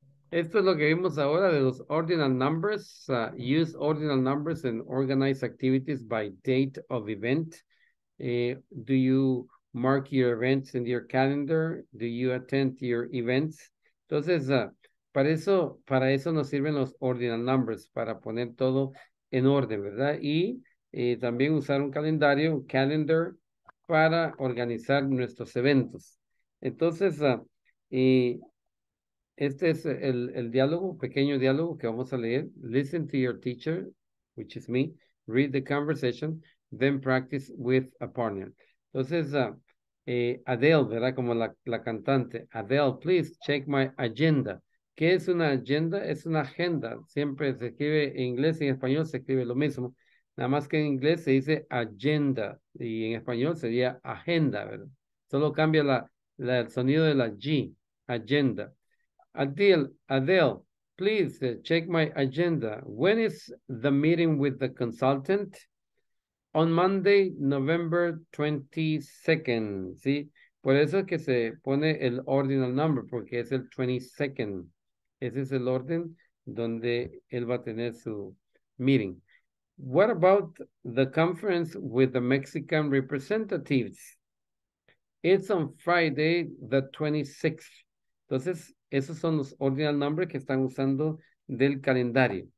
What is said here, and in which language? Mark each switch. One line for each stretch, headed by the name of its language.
Spanish: Esto es lo que vimos ahora de los
English: ordinal numbers. Use ordinal numbers and organize activities by date of event. Do you mark your events in your calendar? Do you attend your events?
Spanish: Entonces, para eso nos sirven los
English: ordinal numbers,
Spanish: para poner todo en orden, ¿verdad? Y también usar un calendar, para organizar nuestros eventos. Entonces, este es el diálogo, pequeño diálogo que vamos a leer.
English: Listen to your teacher, which is me, read the conversation, then practice with a partner.
Spanish: Entonces, Adele, ¿verdad? Como la cantante. Adele,
English: please check my agenda.
Spanish: ¿Qué es una agenda? Es una agenda. Siempre se escribe en inglés y en español se escribe lo mismo. Nada más que en inglés se dice agenda y en español sería agenda, ¿verdad? Solo cambia el sonido de la G, agenda.
English: Adele, please check my agenda. When is the meeting with the consultant? On Monday, November 22nd,
Spanish: ¿sí? Por eso es que se pone el
English: ordinal number,
Spanish: porque es el 22nd. Ese es el orden donde él va a tener su meeting.
English: What about the conference with the Mexican representatives? It's on Friday, the 26th.
Spanish: Entonces, esos son los ordinal numbers que están usando del calendario.